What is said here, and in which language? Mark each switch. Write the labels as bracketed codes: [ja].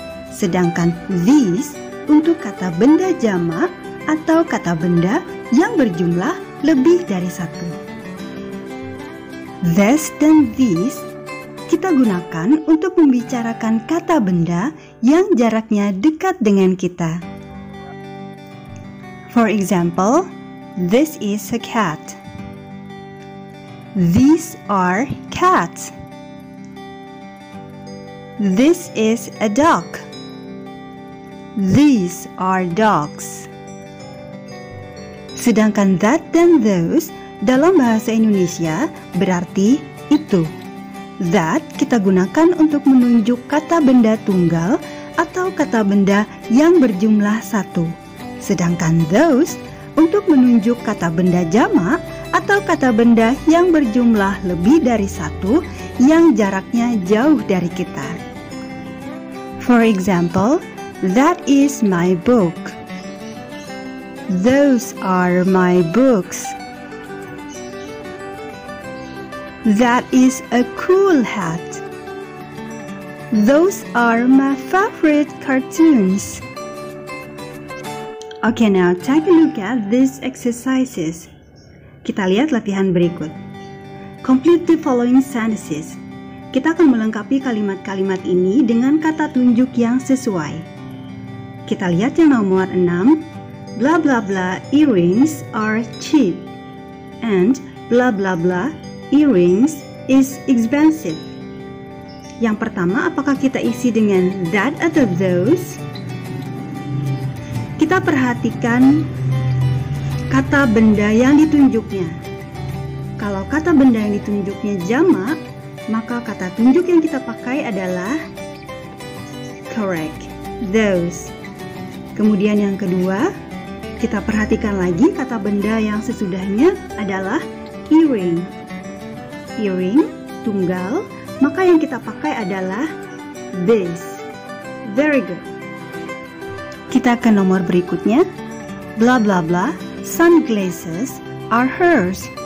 [id] Sedangkan these untuk kata benda jamak atau kata benda yang berjumlah lebih dari satu. This dan these kita gunakan untuk membicarakan kata benda yang jaraknya dekat dengan kita. [en] For example, this is a cat. These are cats. This is a dog. These are dogs. [id] Sedangkan that dan those dalam bahasa Indonesia berarti itu. That kita gunakan untuk menunjuk kata benda tunggal atau kata benda yang berjumlah satu. Sedangkan those untuk menunjuk kata benda jamak atau kata benda yang berjumlah lebih dari satu yang jaraknya jauh dari kita. For example, that is my book. Those are my books. That is a cool hat. Those are my favorite cartoons. [en] Okay, now take a look at these exercises. [id] Kita lihat latihan berikut. [en] Complete the following sentences. [id] Kita akan melengkapi kalimat-kalimat ini dengan kata tunjuk yang sesuai. Kita lihat yang nomor 6. [en] Blah blah blah earrings are cheap and blah blah blah earrings is expensive. [id] Yang pertama, apakah kita isi dengan that atau those? Kita perhatikan kata benda yang ditunjuknya. Kalau kata benda yang ditunjuknya jamak, maka kata tunjuk yang kita pakai adalah correct, those. Kemudian yang kedua, kita perhatikan lagi kata benda yang sesudahnya adalah earring. Earring, tunggal, maka yang kita pakai adalah this. [en] Very good. [id] Kita ke nomor berikutnya. [en] Blah blah blah, sunglasses are hers.